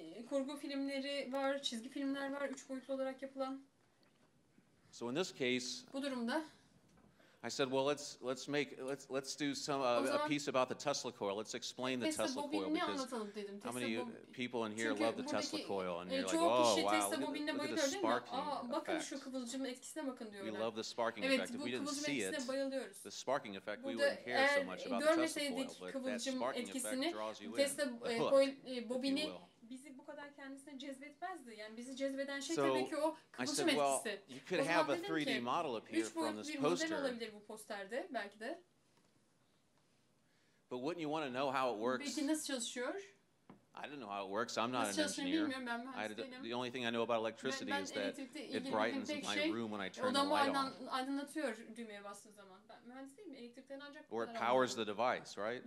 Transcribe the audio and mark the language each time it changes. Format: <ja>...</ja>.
<tr>kurgu filmleri var, çizgi filmler var 3 boyutlu olarak yapılan.</tr> <en>So in this case,</en> <tr>bu durumda</tr> <en>I said, well, let's do some a piece about the Tesla coil. Let's explain the Tesla coil because how many people in here love the Tesla coil and you're like, oh wow, look at the sparking effect. We love the sparking effect. If we didn't see it, the sparking effect, we wouldn't care so much about the Tesla coil, but that sparking effect draws you in.</en> <tr>Tesla coil bobini bizi bu kadar kendisine cezbetmezdi. Yani bizi cezbeden şey tabii ki o kıvılcım etkisi. Well,</tr> <en>you could have a 3D model appear from this poster.</en> <tr>Üç boyutlu bir model olabilir bu posterde belki de.</tr> <en>But wouldn't you want to know how it works?</en> <tr>Peki nasıl çalışıyor?</tr> <en>I don't know how it works. I'm not</en> <tr>nasıl</tr> <en>an engineer.</en> <tr>Nasıl çalışıyor bilmiyorum, ben mühendis değilim.</tr> <en>The only thing I know about electricity</en> <tr>ben</tr> <en>is that it brightens my room when I turn the light on.</en> <tr>Odamı aydınlatıyor düğmeye bastığı zaman. Ben mühendis değilim. Elektrikten ancak</tr> <en>or it powers the device, right?</en>